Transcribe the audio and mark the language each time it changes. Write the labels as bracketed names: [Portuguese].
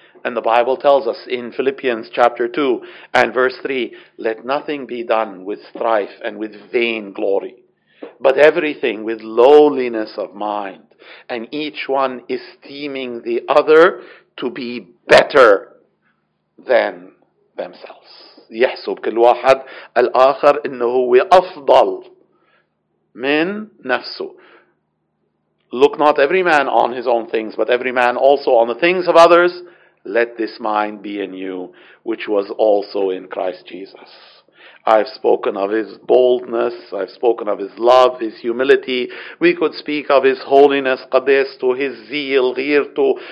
[English] And the Bible tells us in Philippians chapter 2 and verse 3, let nothing be done with strife and with vain glory, but everything with lowliness of mind, and each one esteeming the other to be better than themselves. [Arabic] يحسب كل واحد الآخر إنه هو أفضل من نفسه. [English] Look not every man on his own things, but every man also on the things of others. Let this mind be in you, which was also in Christ Jesus. I've spoken of his boldness, I've spoken of his love, his humility. We could speak of his holiness, [Arabic] قدستو, [English] his zeal, [Arabic] غيرتو.